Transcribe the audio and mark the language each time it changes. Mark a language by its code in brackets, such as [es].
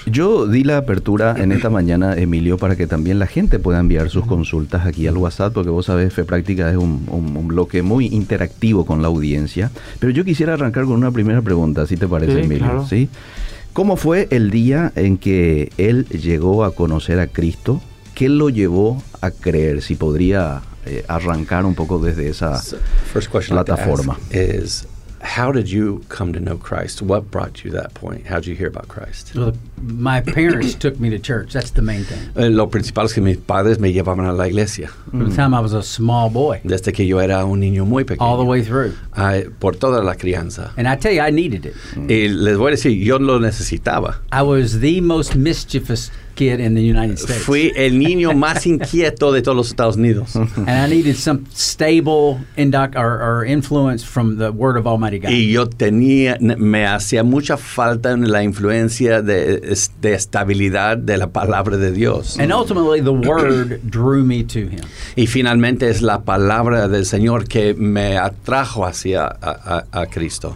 [es] Yo di la apertura en esta mañana, Emilio, para que también la gente pueda enviar sus consultas aquí al WhatsApp, porque vos sabés, Fe Práctica es un bloque muy interactivo con la audiencia. Pero yo quisiera arrancar con una primera pregunta, si te parece, Emilio. Claro. ¿Sí? ¿Cómo fue el día en que él llegó a conocer a Cristo? ¿Qué lo llevó a creer? Si podría arrancar un poco desde esa plataforma. [en] Is how did you come to know Christ? What brought you to that point? How did you hear about Christ? Well, my parents took me to church. That's the main thing. [es] Lo principal es que mis padres me llevaban a la iglesia. [en] From the time I was a small boy. [es] Desde que yo era un niño muy pequeño. [en] All the way through. [es] Por toda la crianza. [en] And I tell you, I needed it. [es] Y les voy a decir, yo lo necesitaba. [en] I was the most mischievous kid in the United States. [es] Fui el niño más inquieto de todos los Estados Unidos. [en] And I needed some stable or influence from the Word of Almighty God. [es] Y yo tenía, me hacía mucha falta en la influencia de estabilidad de la palabra de Dios. [en] And ultimately, the Word drew me to Him. [es] Y finalmente es la palabra del Señor que me atrajo hacia a Cristo.